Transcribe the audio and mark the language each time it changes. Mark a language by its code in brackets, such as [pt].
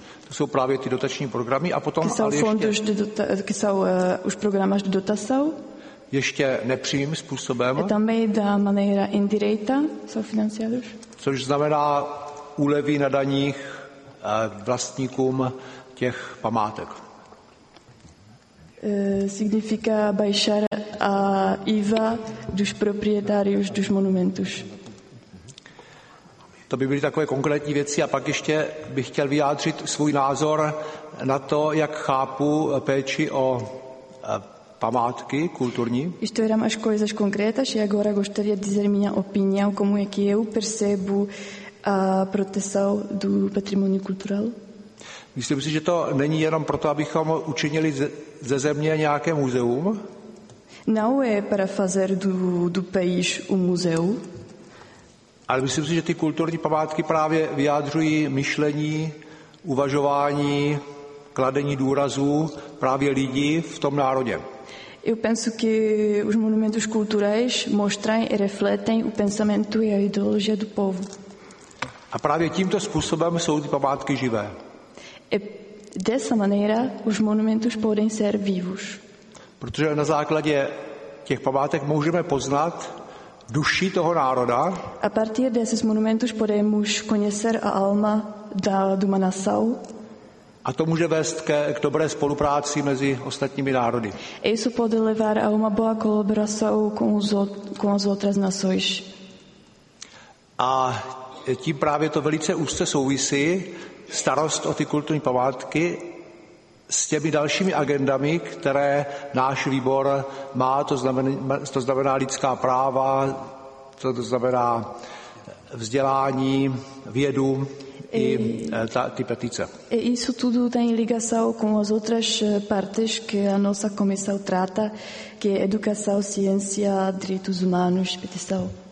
[cs] Jsou právě ty dotační programy a potom jsou ale ještě... [pt] Que [cs] jsou [pt] os programas de dotação. [cs] Ještě nepřímým způsobem. [pt] E também da maneira indireita são financiados. [cs] Což znamená úlevy na daních vlastníkům těch památek. [pt] Significa baixar a IVA dos proprietários dos monumentos. [cs] To by byly takové konkrétní věci a pak ještě bych chtěl vyjádřit svůj názor na to, jak chápu péči o památky kulturní. [pt] Isto eram as coisas concretas e agora gostaria de dizer minha opinião, como é que eu percebo a proteção do patrimônio cultural. [cs] Myslím si, že to není jenom proto, abychom učinili ze země nějaké muzeum? [pt] Não é para fazer do país um museu. [cs] Ale myslím si, že ty kulturní památky právě vyjádřují myšlení, uvažování, kladení důrazu právě lidí v tom národě. [pt] Eu penso que os monumentos culturais mostram e refletem o pensamento e a ideologia do povo. [cs] A právě tímto způsobem jsou ty památky živé. [pt] E dessa maneira os monumentos podem ser vivos. [cs] Protože na základě těch památek můžeme poznat duši toho národa. [pt] A partir desses monumentos podemos conhecer a alma de uma nação. [cs] A to může vést k dobré spolupráci mezi ostatními národy. [pt] E isso pode levar a uma boa colaboração com as outras nações. [cs] A tím právě to velice úzce souvisí, starost o ty kulturní památky, s těmi dalšími agendami, které náš výbor má, to znamená lidská práva, to znamená vzdělání, vědu i ty petice. [pt] E isso tudo tem ligação com as outras partes que a nossa comissão trata, que é educação, ciência, direitos humanos, petição.